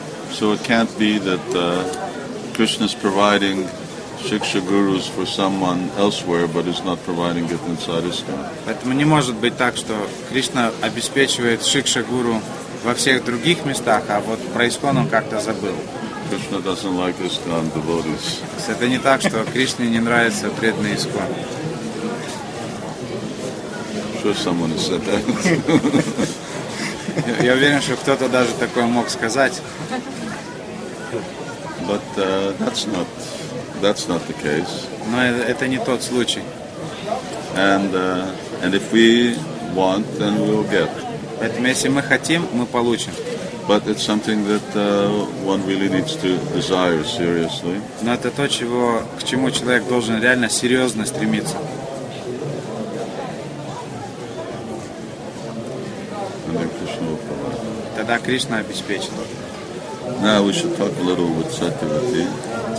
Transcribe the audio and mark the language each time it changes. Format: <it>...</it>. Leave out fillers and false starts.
<en>So it can't be that Krishna is providing Shiksha gurus for someone elsewhere, but is not providing it inside ISKCON.</en> <ru>Поэтому не может быть так, что Кришна обеспечивает Шикша гуру во всех других местах, а вот про ISKCON он как-то забыл.</ru> <en>Krishna doesn't like ISKCON devotees.</en> <ru>Это не так, что Кришне не нравится преданный ISKCON.</ru> <en>Sure, someone has said that.</en> <ru>Я уверен, что кто-то даже такое мог сказать.</ru> <en>But that's not the case.</en> <ru>Но это не тот случай.</ru> <en>And if we want, then we'll get.</en> <ru>Поэтому если мы хотим, мы получим.</ru> <en>But it's something that one really needs to desire seriously.</en> <ru>Но это то, к чему человек должен реально серьезно стремиться.</ru> <en>And then Krishna will provide.</en> <ru>Тогда Кришна обеспечит.</ru> <en>Now we should talk a little with Satyavati.</en>